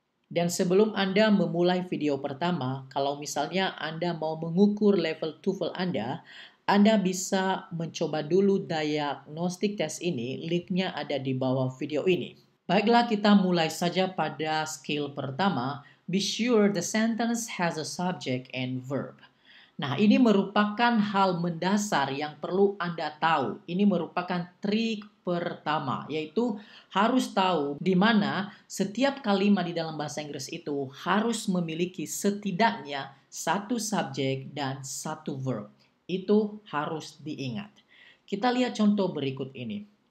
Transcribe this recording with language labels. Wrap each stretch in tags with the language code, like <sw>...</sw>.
<id>Dan sebelum Anda memulai video pertama, kalau misalnya Anda mau mengukur level TOEFL Anda, Anda bisa mencoba dulu diagnostik test ini, linknya ada di bawah video ini. Baiklah, kita mulai saja pada skill pertama.</id> <en>Be sure the sentence has a subject and verb.</en> <id>Nah, ini merupakan hal mendasar yang perlu Anda tahu. Ini merupakan trik pertama, yaitu harus tahu di mana setiap kalimat di dalam bahasa Inggris itu harus memiliki setidaknya satu subject dan satu verb. Itu harus diingat. Kita lihat contoh berikut ini.</id>